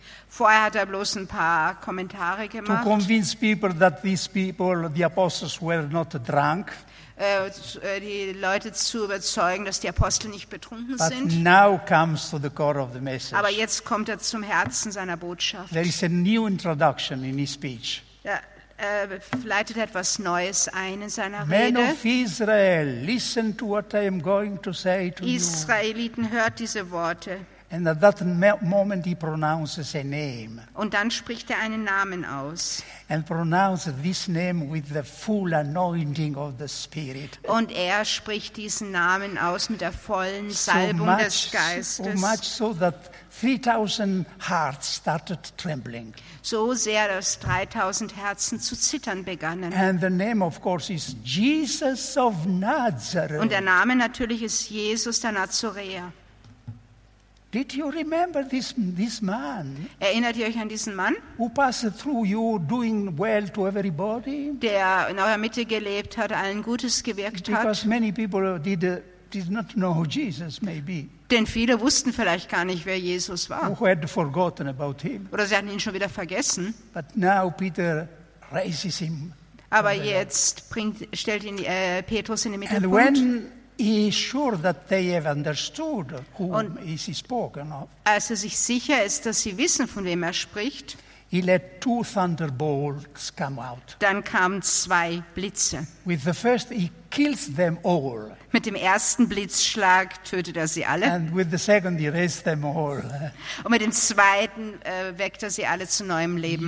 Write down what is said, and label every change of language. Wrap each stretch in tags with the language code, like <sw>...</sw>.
<de>Vorher hat er bloß ein paar Kommentare gemacht.</de> <en>To convince people that these people, the apostles, were not drunk.</en> <de>Die Leute zu überzeugen, dass die Apostel nicht betrunken</de> <en>But</en> <de>sind.</de> <en>Now comes to the core of the message.</en> <de>Aber jetzt kommt er zum Herzen seiner Botschaft.</de> <en>There is a new introduction in his speech.</en> <de>Leitet etwas Neues ein in seiner Rede.</de> <en>Men of Israel, listen to what I am going to say to</en> <de>Israeliten,</de> <en>you.</en> <de>Israeliten, hört diese Worte.</de> <en>And at that moment he pronounces a name.</en> <de>Und dann spricht er einen Namen aus.</de> <en>And pronounces this name with the full anointing of the Spirit.</en> <de>Und er spricht diesen Namen aus mit der vollen Salbung</de> <en>so much,</en> <de>des Geistes.</de> <en>So much so that 3,000 hearts started trembling.</en> <de>So sehr, dass 3,000 Herzen zu zittern begannen.</de> <en>And the name, of course, is Jesus of Nazareth.</en> <de>Und der Name natürlich ist Jesus der Nazaräer.</de> <en>Did you remember this man?</en> <de>Erinnert ihr euch an diesen Mann?</de> <en>Who passed through you doing well to everybody?</en> <de>Der in eurer Mitte gelebt hat, allen Gutes gewirkt</de> <en>because</en> <de>hat.</de> <en>Because many people did not know who Jesus maybe.</en> <de>Denn viele wussten vielleicht gar nicht, wer Jesus war.</de> <en>Who had forgotten about him.</en> <de>Oder sie hatten ihn schon wieder vergessen.</de> <en>But now Peter raises him.</en> <de>Aber jetzt stellt ihn Petrus in die Mitte.</de> <en>And when he is sure that they have understood whom is he spoken of.</en> <de>Als er sich sicher ist, dass sie wissen, von wem er spricht,</de> <en>he let two thunderbolts come out.</en> <de>Dann kamen zwei Blitze.</de> <en>With the first, he kills them all.</en> <de>Mit dem ersten Blitzschlag tötet er sie alle.</de> <en>And with the second, he raised them all.</en> <de>Und mit dem zweiten weckt er sie alle zu neuem Leben.</de>